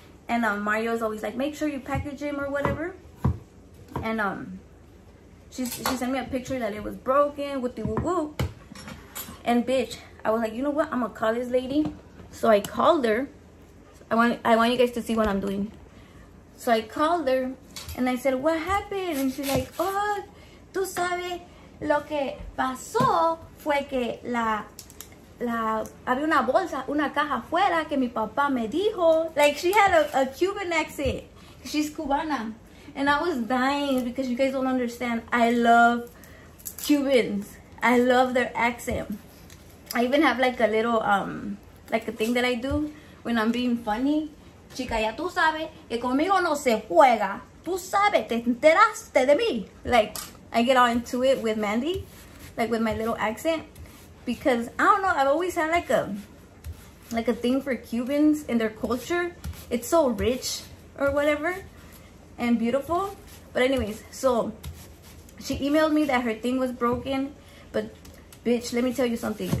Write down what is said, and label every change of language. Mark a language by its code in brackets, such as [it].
[en] And Mario's always like, make sure you package him or whatever. And she sent me a picture that it was broken with the woo-woo. And bitch, I was like, you know what? I'm gonna call this lady. So I called her. I want you guys to see what I'm doing. So I called her and I said, what happened? And she's like, [es] oh, tú sabes. Lo que pasó fue que la había una bolsa, una caja afuera que mi papá me dijo. [en] Like, she had a Cuban accent. She's Cubana. And I was dying because you guys don't understand. I love Cubans. I love their accent. I even have like a little, like a thing that I do when I'm being funny. [es] Chica, ya tú sabes que conmigo no se juega. Tú sabes, te enteraste de mí. [en] Like, I get all into it with Mandy, like with my little accent, because I don't know, I've always had like a thing for Cubans and their culture. It's so rich or whatever and beautiful. But anyways, so she emailed me that her thing was broken, but bitch, let me tell you something.